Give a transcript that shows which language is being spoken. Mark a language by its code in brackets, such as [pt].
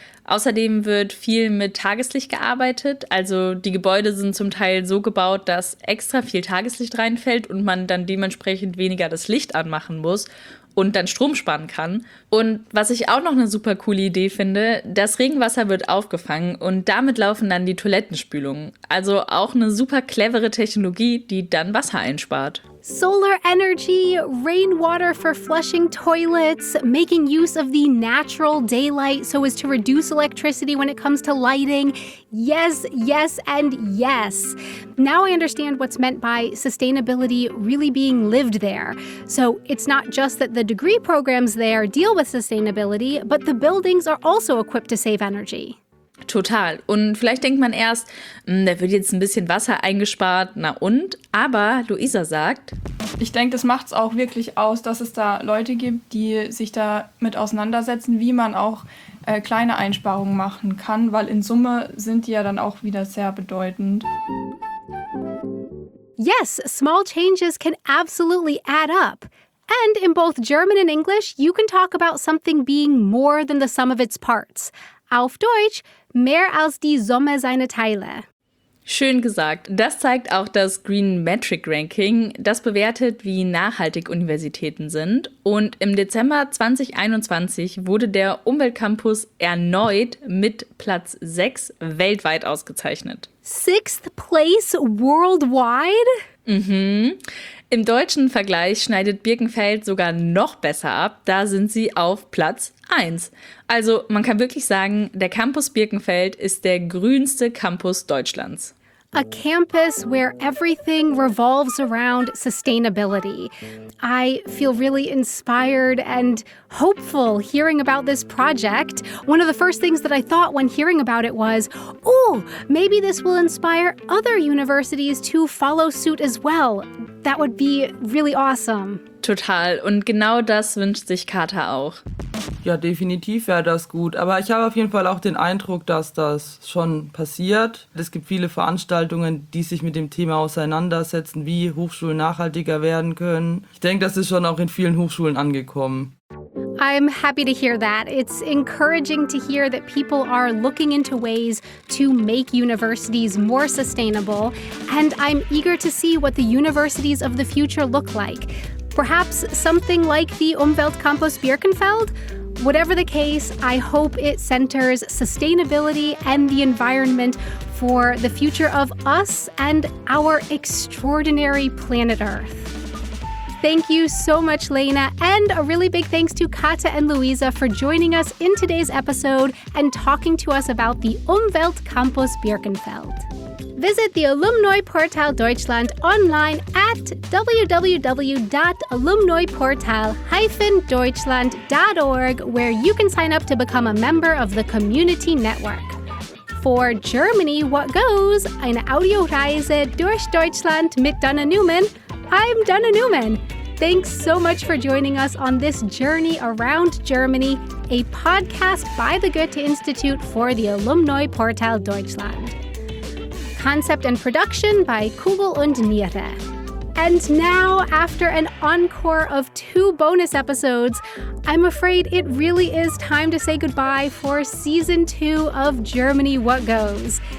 [de] Außerdem wird viel mit Tageslicht gearbeitet. Also die Gebäude sind zum Teil so gebaut, dass extra viel Tageslicht reinfällt und man dann dementsprechend weniger das Licht anmachen muss und dann Strom sparen kann. Und was ich auch noch eine super coole Idee finde, das Regenwasser wird aufgefangen und damit laufen dann die Toilettenspülungen. Also auch eine super clevere Technologie, die dann Wasser einspart. [en] solar energy, rainwater for flushing toilets, making use of the natural daylight so as to reduce electricity when it comes to lighting. Yes, yes, and yes. Now I understand what's meant by sustainability really being lived there. So it's not just that the degree programs there deal with sustainability, but the buildings are also equipped to save energy. [de] Total. Und vielleicht denkt man erst, da wird jetzt ein bisschen Wasser eingespart, na und? Aber Luisa sagt... Ich denke, das macht es auch wirklich aus, dass es da Leute gibt, die sich damit auseinandersetzen, wie man auch kleine Einsparungen machen kann, weil in Summe sind die ja dann auch wieder sehr bedeutend. [en] Yes, small changes can absolutely add up. And in both German and English, you can talk about something being more than the sum of its parts. [de] Auf Deutsch, mehr als die Summe seiner Teile. Schön gesagt. Das zeigt auch das Green Metric Ranking, das bewertet, wie nachhaltig Universitäten sind. Und im Dezember 2021 wurde der Umweltcampus erneut mit Platz 6 weltweit ausgezeichnet. [en] Sixth place worldwide? Mhm. [de] Im deutschen Vergleich schneidet Birkenfeld sogar noch besser ab. Da sind sie auf Platz 1. Also man kann wirklich sagen, der Campus Birkenfeld ist der grünste Campus Deutschlands. [en] A campus where everything revolves around sustainability. I feel really inspired and hopeful hearing about this project. One of the first things that I thought when hearing about it was, oh, maybe this will inspire other universities to follow suit as well. That would be really awesome. [de] Total. Und genau das wünscht sich Kata auch. Ja, definitiv wäre das gut. Aber ich habe auf jeden Fall auch den Eindruck, dass das schon passiert. Es gibt viele Veranstaltungen, die sich mit dem Thema auseinandersetzen, wie Hochschulen nachhaltiger werden können. Ich denke, das ist schon auch in vielen Hochschulen angekommen. [en] I'm happy to hear that. It's encouraging to hear that people are looking into ways to make universities more sustainable. And I'm eager to see what the universities of the future look like. Perhaps something like the Umweltcampus Birkenfeld? Whatever the case, I hope it centers sustainability and the environment for the future of us and our extraordinary planet Earth. Thank you so much, Lena, and a really big thanks to Kata and Luisa for joining us in today's episode and talking to us about the Umweltcampus Birkenfeld. Visit the Alumni Portal Deutschland online at www.alumniportal-deutschland.org, where you can sign up to become a member of the community network. For Germany, what goes? [de] Eine Audioreise durch Deutschland mit Dana Neumann. [en] I'm Dana Neumann. Thanks so much for joining us on this journey around Germany, a podcast by the Goethe-Institute for the Alumni Portal Deutschland. Concept and production by Kugel und Niere. And now, after an encore of 2 bonus episodes, I'm afraid it really is time to say goodbye for season 2 of Germany What Goes.